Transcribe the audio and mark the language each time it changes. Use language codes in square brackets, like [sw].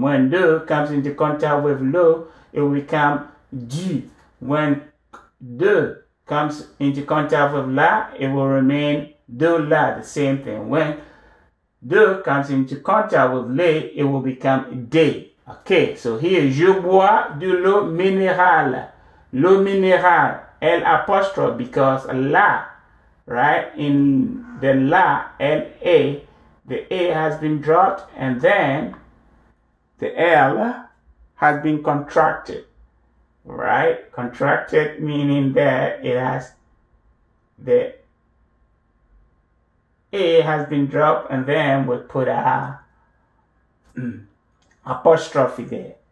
[en] When de comes into contact with le, it will become du. When de comes into contact with la, it will remain de la, the same thing. When de comes into contact with le, it will become de. [fr] Okay, so here, je bois de l'eau minérale. [en] L'eau minérale, L apostrophe, because la, right, in the la, L-A, the A has been dropped, and then the L has been contracted. Right, contracted meaning that it has, the A has been dropped, and then we put a apostrophe there.